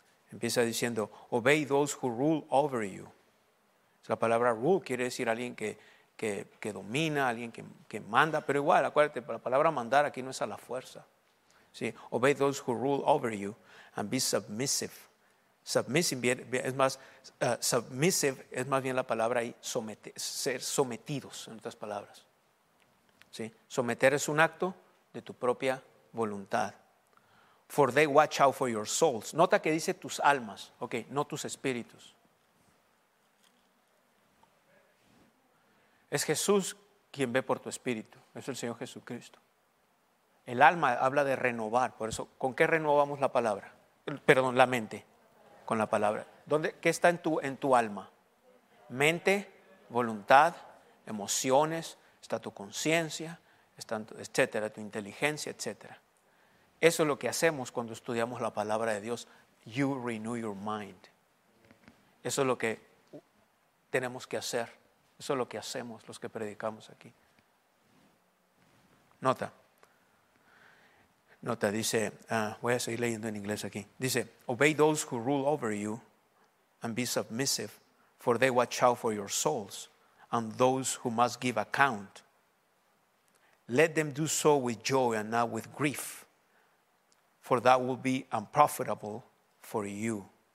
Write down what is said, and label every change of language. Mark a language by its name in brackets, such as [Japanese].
[Spanish] Empieza diciendo, [English] obey those who rule over you. [Spanish] La palabra rule quiere decir alguien que domina, alguien que manda. Pero igual, acuérdate, la palabra mandar aquí no es a la fuerza. ¿Sí? [English] Obey those who rule over you and be submissive. [Spanish] Submissive es más bien la palabra ahí, ser sometidos, en otras palabras. ¿Sí? Someter es un acto de tu propia voluntad. [English] For they watch out for your souls. [Spanish] Nota que dice tus almas, okay, no tus espíritus. Es Jesús quien ve por tu espíritu, es el Señor Jesucristo. El alma habla de renovar, por eso, ¿con qué renovamos la palabra? Perdón, la mente, con la palabra. ¿Dónde, qué está en tu alma? Mente, voluntad, emociones, está tu conciencia, etcétera, tu inteligencia, etcétera. Eso es lo que hacemos cuando estudiamos la palabra de Dios. [English] You renew your mind. [Spanish] Eso es lo que tenemos que hacer. Eso es lo que hacemos los que predicamos aquí. Nota, dice, voy a seguir leyendo en inglés aquí. [English] Dice, obey those who rule over you and be submissive, for they watch out for your souls and those who must give account. Let them do so with joy and not with grief, for that will be unprofitable for you.